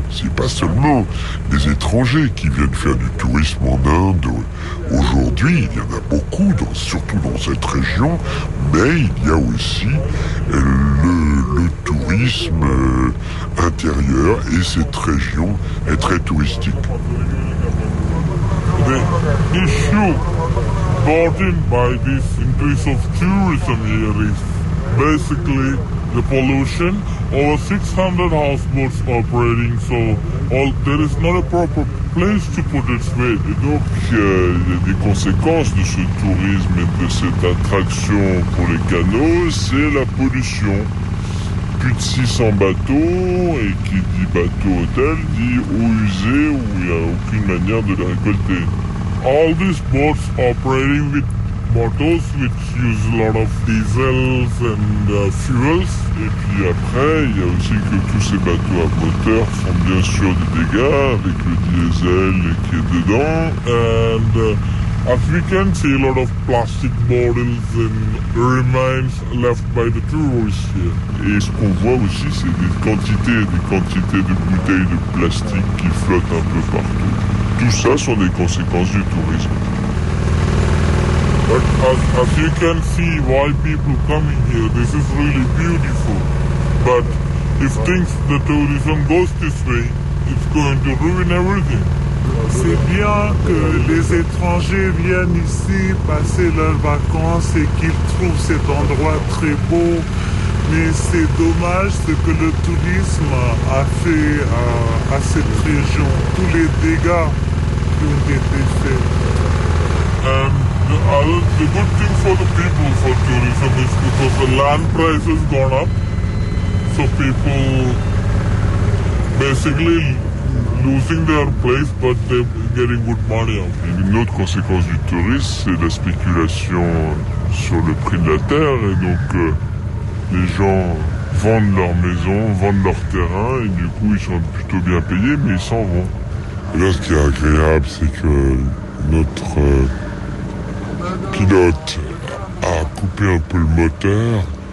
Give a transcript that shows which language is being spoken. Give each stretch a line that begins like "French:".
French: C'est pas seulement les étrangers qui viennent faire du tourisme en Inde. Aujourd'hui, il y en a beaucoup, surtout dans cette région, mais il y a aussi le tourisme intérieur, et cette région est très touristique.
English: The issue brought in by this increase of tourism here is basically the pollution. Over 600 houseboats operating, so there is not a proper place to put its weight.
French: Et donc, les conséquences de ce tourisme et de cette attraction pour les canaux, c'est la pollution. Plus de 600 bateaux, et qui dit bateau hôtel dit eau usée où il n'y a aucune manière de les récolter.
English: All these boats operating with bottles which use a lot of diesels and fuels.
French: Et puis après, il y a aussi que tous ces bateaux à moteur font bien sûr des dégâts avec le diesel qui est dedans.
English: And as we can see, a lot of plastic bottles and remains left by the tourists here.
French: Et ce qu'on voit aussi, c'est des quantités de bouteilles de plastique qui flottent un peu partout. Tout ça sont des conséquences du tourisme.
English: But as you can see, why people coming here, this is really beautiful. But if things, the tourism goes this way, it's going to ruin everything.
French: C'est bien que les étrangers viennent ici passer leurs vacances et qu'ils trouvent cet endroit très beau. Mais c'est dommage ce que le tourisme a fait à cette région, tous les dégâts qui ont été faits.
English: The good thing for the people for tourism is because the land price has gone up. So people basically losing their place, but they're getting good money out.
French: Et une autre conséquence du tourisme, c'est la spéculation sur le prix de la terre. Et donc, les gens vendent leur maison, vendent leur terrain, et du coup, ils sont plutôt bien payés, mais ils s'en vont. Et là, ce qui est agréable, c'est que notre pilote a coupé un peu le moteur.